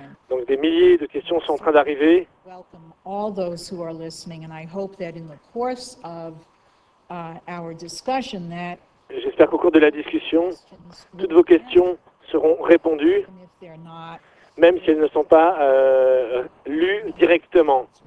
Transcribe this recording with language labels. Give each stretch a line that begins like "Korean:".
French: Donc des milliers de questions sont en train d'arriver.
English: Welcome all those who are listening, and I hope that in the course of our discussion that.
French: J'espère qu'au cours de la discussion, toutes vos questions seront répondues, même si elles ne sont pas lues directement.